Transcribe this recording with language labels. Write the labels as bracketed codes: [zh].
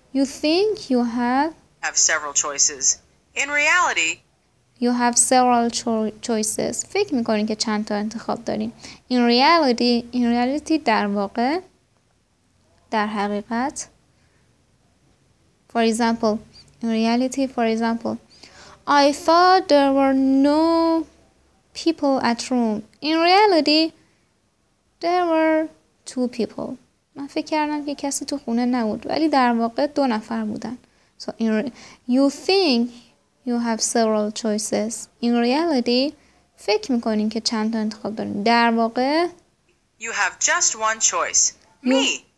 [en] You think you have several choices. In reality, you have several choices. [fa] فکر میکنین که چند تا انتخاب دارین. [en] In reality, [fa] در واقع، در حقیقت. [en] For example, I thought there were no people at room. In reality, there were two people. [fa] من فکر کردم که کسی تو خونه نبود، ولی در واقع دو نفر بودن. [en] So you think you have several choices. In reality, [fa] فکر میکنین که چند تا انتخاب دارین. در واقع [en] you have just one choice. Me.